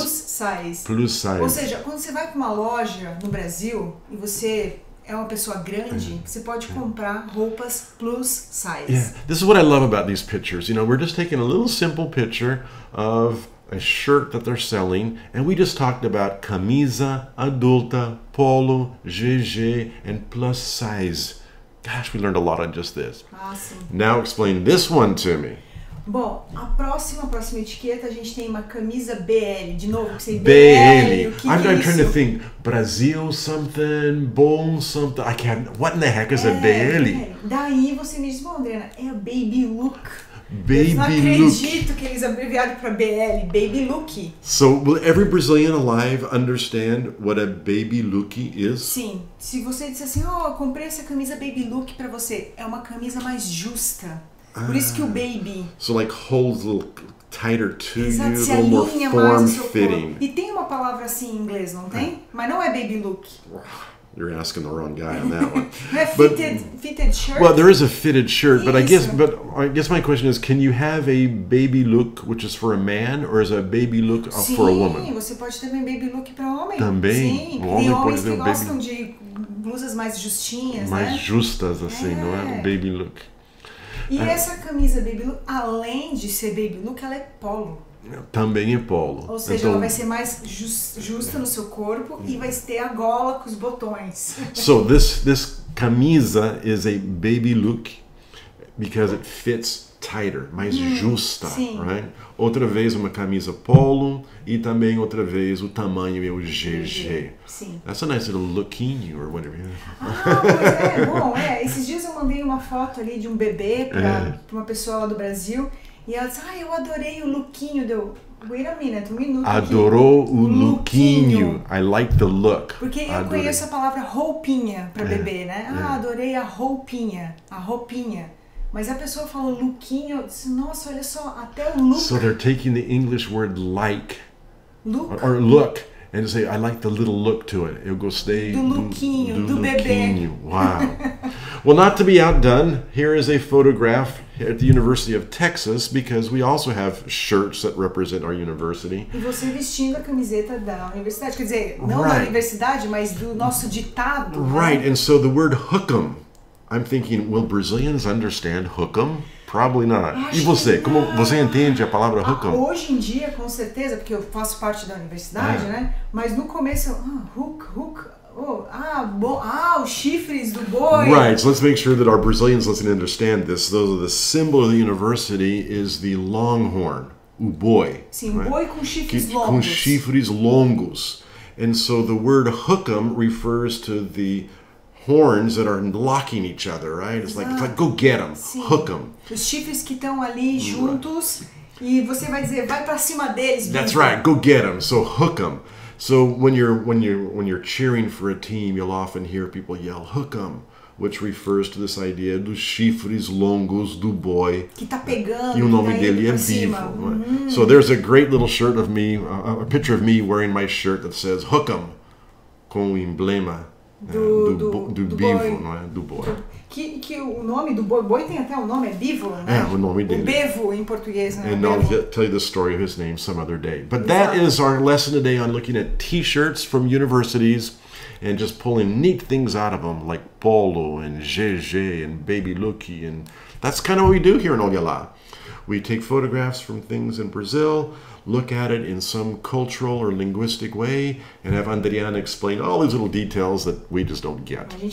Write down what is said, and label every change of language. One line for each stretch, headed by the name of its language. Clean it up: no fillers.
English: plus size. Plus size.
Portuguese: Ou seja, quando você vai para uma loja no Brasil e você é uma pessoa grande, você pode comprar roupas plus size.
English: Yeah, this is what I love about these pictures. You know, we're just taking a little simple picture of a shirt that they're selling, and we just talked about camisa adulta, polo, GG, and plus size. Gosh, we learned a lot on just this. Awesome. Now explain this one to me.
Portuguese: Bom, a próxima etiqueta, a gente tem uma camisa BL. De novo, que sei BL. BL.
English: I'm trying to think. Brasil something, bom something. I can't. What in the heck is a BL?
Portuguese: Daí você me diz, bom, Adriana, é a baby look.
English: Baby
Portuguese: eu não acredito
English: look.
Portuguese: Que eles abreviaram para BL, baby look.
English: So, will every Brazilian alive understand what a baby look is?
Portuguese: Sim. Se você disser assim, oh, eu comprei essa camisa baby look para você, é uma camisa mais justa. Ah, por isso que o baby.
English: So, like, holds a little tighter to
Portuguese: exato,
English: you, a little more form fitting.
Portuguese: E tem uma palavra assim em inglês, não tem? Mas não é baby look.
English: You're asking the wrong guy on that one. fitted shirt. Well, there is a fitted shirt, but I guess my question is, can you have a baby look which is for a man, or is a baby look for a woman?
Portuguese: Sim, você pode ter um baby look para homem. Também. Sim, tem homens que gostam baby de blusas mais justinhas, mais né? Mais justas, assim, não é? Baby look. E essa camisa baby look, além de ser baby look, ela é polo. Também é polo. Ou seja, então, ela vai ser mais justa no seu corpo e vai ter a gola com os botões.
English: So, this camisa is a baby look because it fits tighter,
Portuguese: mais justa, sim.
English: Right?
Portuguese: Outra vez uma camisa polo e também outra vez o tamanho é o GG. Sim.
English: That's a nice little lookinho or whatever.
Portuguese: Ah, pois é. Bom, esses dias eu mandei uma foto ali de um bebê para uma pessoa lá do Brasil. E ela disse, ah, eu adorei o lookinho. Deu,
English: wait a minute,
Portuguese: um minuto. Adorou aqui. O lookinho.
English: I like the look.
Portuguese: Porque eu adorei. Conheço a palavra roupinha para bebê, né? Ah, adorei a roupinha. A roupinha. Mas a pessoa falou lookinho. Eu disse, nossa, olha só, até o look.
English: So they're taking the English word like. Look. Or look. And say, I like the little look to it.
Portuguese: Eu gostei do lookinho, do bebê.
English: Wow. Well, not to be outdone, here is a photograph at the University of Texas, because we also have shirts that represent our university.
Portuguese: E você vestindo a camiseta da universidade, quer dizer, não
English: right.
Portuguese: Da universidade, mas do nosso ditado.
English: Right, and so the word hook'em, I'm thinking, will Brazilians understand hook'em? Probably not.
Portuguese: Acho e você, como você entende a palavra hook'em? Ah, hoje em dia, com certeza, porque eu faço parte da universidade, né? Mas no começo, hook, Oh, os chifres do boi.
English: Right, so let's make sure that our Brazilians listen and understand this. Those are the symbol of the university is the longhorn, o boi.
Portuguese: Sim,
English: right?
Portuguese: Boi com chifres longos. Com chifres longos.
English: And so the word hook'em refers to the horns that are locking each other, right? It's like, go get them, hook 'em.
Portuguese: Os chifres que estão ali juntos,
English: right.
Portuguese: E você vai dizer, vai para cima deles.
English: That's right, go get them, so hook 'em. So when you're cheering for a team, you'll often hear people yell hook 'em, which refers to this idea
Portuguese: dos chifres longos do boi. Que tá pegando. E o nome dele é Vivo.
English: So there's a great little shirt of me, a picture of me wearing my shirt that says hook 'em,
Portuguese: com o emblema do Bivo, não é? Do boi. Que o nome do boi tem até um nome, é Bivo, né? É, o nome dele. O Bevo em português, né?
English: And I'll tell you the story of his name some other day. But that is our lesson today on looking at t-shirts from universities and just pulling neat things out of them, like Polo and GG and Baby Lucky. And that's kind of what we do here in Oguelá. We take photographs from things in Brazil, look at it in some cultural or linguistic way, and have Adriana explain all these little details that we just don't get.